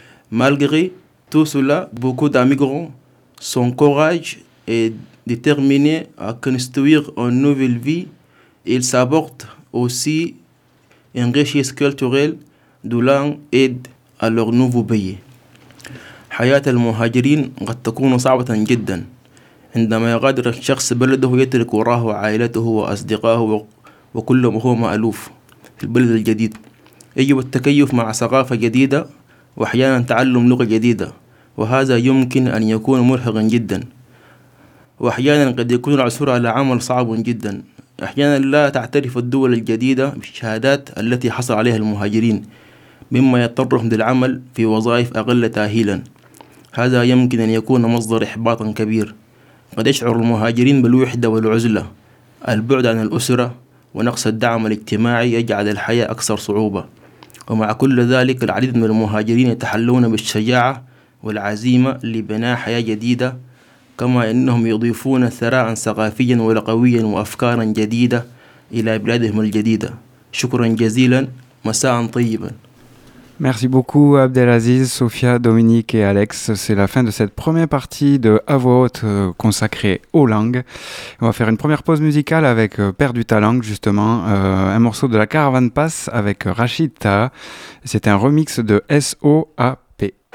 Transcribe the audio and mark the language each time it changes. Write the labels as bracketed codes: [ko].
[fr] Malgré tout cela, beaucoup d'immigrants sont courageux et déterminés à construire une nouvelle vie. Ils s'apportent aussi une richesse culturelle de langue et à leur nouveau pays. [ar] حياه المهاجرين قد تكون صعبه جدا عندما يغادر الشخص بلده يترك وراه عائلته واصدقائه وكل ما هو مألوف في البلد الجديد يجب التكيف مع ثقافه جديده واحيانا تعلم لغه جديده وهذا يمكن ان يكون مرهقا جدا واحيانا قد يكون العثور على عمل صعب جدا احيانا لا تعترف الدول الجديده بالشهادات التي حصل عليها المهاجرين مما يضطرهم للعمل في وظائف اقل تاهيلا هذا يمكن أن يكون مصدر إحباط كبير قد يشعر المهاجرين بالوحدة والعزلة البعد عن الأسرة ونقص الدعم الاجتماعي يجعل الحياة أكثر صعوبة ومع كل ذلك العديد من المهاجرين يتحلون بالشجاعة والعزيمة لبناء حياة جديدة كما أنهم يضيفون ثراء ثقافيا ولغويا وأفكارا جديدة إلى بلادهم الجديدة شكرا جزيلا مساء طيبا. [fr] Merci beaucoup Abdelaziz, Sophia, Dominique et Alex. C'est la fin de cette première partie de À voix haute consacrée aux langues. On va faire une première pause musicale avec Père du Talang, justement. Un morceau de la Caravane Passe avec Rachid Taha. C'est un remix de S.O.A.P.